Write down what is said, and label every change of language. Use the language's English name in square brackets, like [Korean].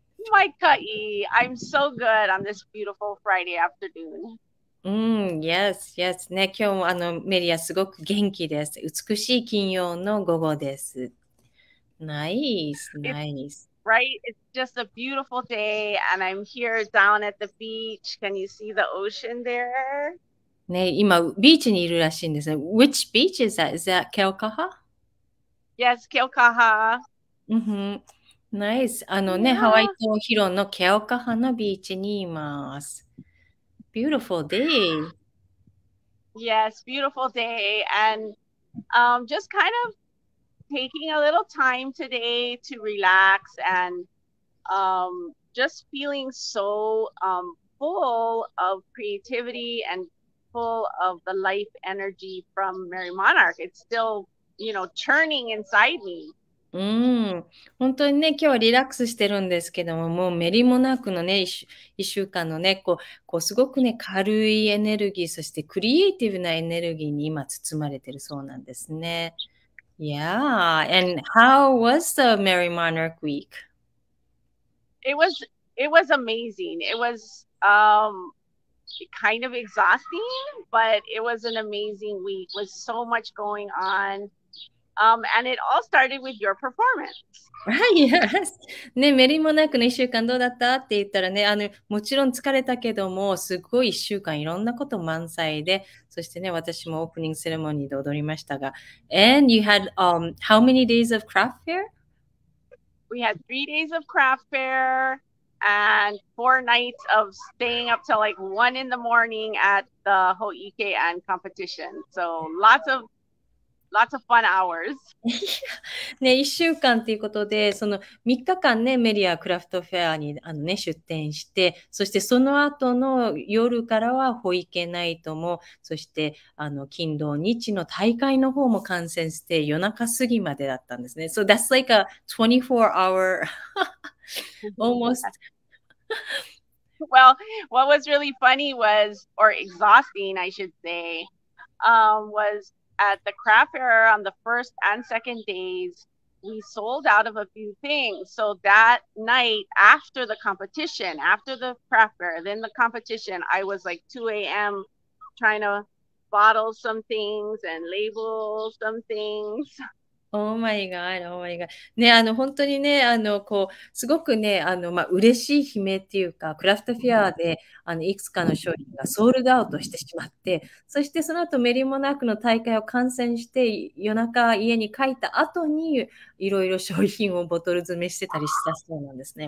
[English] My cutie, I'm so good on this beautiful Friday afternoon. Yes. [Japanese] ね、今日もメリアすごく元気です。美しい金曜の午後です。 [English] Nice, nice. Right? It's just a beautiful day, and I'm here down at the beach. Can you see the ocean there? [Japanese] ね、今、ビーチにいるらしいんですね。 [English] Which beach is that? Is that Kelkaha? Yes, Keokaha. [Japanese] ナイス。ね、ハワイ [English] Yeah. [Japanese] 島ヒロンのケオカハのビーチにいます。 [English] Beautiful day. Yes, beautiful day. And just kind of taking a little time today to relax and just feeling so full of creativity and full of the life energy from Merry Monarch. It's still, churning inside me. [Japanese] 本当にね、今日はリラックスしてるんですけども、もうメリーモナークのね、1週間のね、こうすごくね、軽いエネルギー、そしてクリエイティブなエネルギーに今包まれてるそうなんですね。 [English] Yeah, and how was the Merry Monarch Week? It was amazing. It was kind of exhausting, but it was an amazing week with so much going on. And it all started with your performance. Yes. [Japanese] ね、メリーモナークの1週間どうだったって言ったらね、もちろん疲れたけども、すごい1週間いろんなこと満載で、そしてね、私もオープニングセレモニーで踊りましたが。 [English] And you had, how many days of craft fair? We had 3 days of craft fair and 4 nights of staying up till like 1 in the morning at the Hōʻike and competition. So lots of fun hours. [Japanese] ね、1週間ということで、その3日間ね、メリアクラフトフェアに出展して、そしてその後の夜からは、ホイケナイトも、そして金土日の大会の方も観戦して、夜中過ぎまでだったんですね。 [English] So that's like a 24-hour almost. Well, what was really funny was, or exhausting, I should say, was at the craft fair on the first and second days, we sold out of a few things. So that night after the competition, after the craft fair, then the competition, I was like 2 a.m. trying to bottle some things and label some things. Oh my god, oh my god. [Japanese] ね、本当にね、すごくね、嬉しい悲鳴っていうか、クラフトフェアで、いくつかの商品がソールドアウトしてしまって、そしてその後、メリーモナークの大会を観戦して、夜中家に帰った後に、いろいろ商品をボトル詰めしてたりしたそうなんですね。